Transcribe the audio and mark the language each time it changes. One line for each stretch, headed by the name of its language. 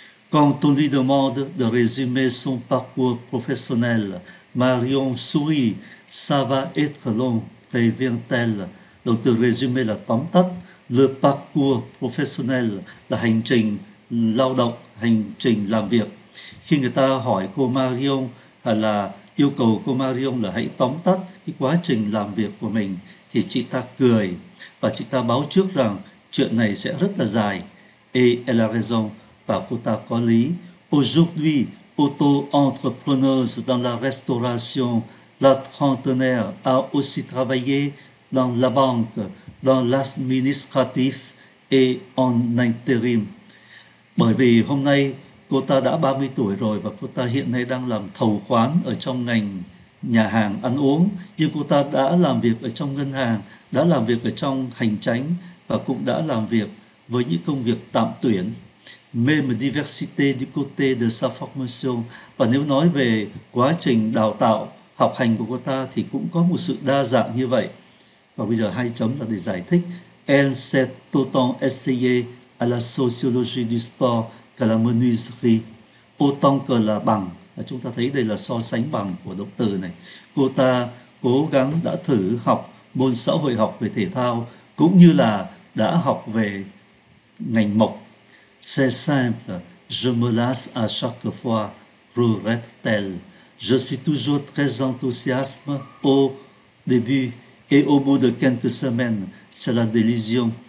French: Quand on lui demande de résumer son parcours professionnel, Marion sourit, ça va être long, prévient-elle. Donc, de résumer
Vietnamese: là tóm tắt,
French: le parcours professionnel
Vietnamese: là hành trình lao động, hành trình làm việc. Khi người ta hỏi cô Marion, hay là yêu cầu cô Marion là hãy tóm tắt cái quá trình làm việc của mình, thì chị ta cười và chị ta báo trước rằng chuyện này sẽ rất là dài.
French: Et elle a raison,
Vietnamese: và cô ta có lý.
French: Aujourd'hui, auto-entrepreneuse dans la restauration, la trentenaire a aussi travaillé dans la banque, dans l'administratif et en intérim.
Vietnamese: Bởi vì hôm nay, cô ta đã 30 tuổi rồi và cô ta hiện nay đang làm thầu khoán ở trong ngành nhà hàng ăn uống. Nhưng cô ta đã làm việc ở trong ngân hàng, đã làm việc ở trong hành chánh và cũng đã làm việc với những công việc tạm tuyển.
French: Même diversité du côté de sa formation.
Vietnamese: Và nếu nói về quá trình đào tạo, học hành của cô ta thì cũng có một sự đa dạng như vậy. Và bây giờ hai chấm là để giải thích.
French: Elle s'est autant essayée à la sociologie du sport. La menuiserie, autant que
Vietnamese: là bằng. Và chúng ta thấy đây là so sánh bằng của động từ này. Cô ta cố gắng đã thử học môn xã hội học về thể thao, cũng như là đã học về ngành mộc.
French: C'est simple, je me lasse à chaque fois, regrette-t-elle. Je suis toujours très enthousiaste, oh, début et au bout de quelques semaines, c'est la délision.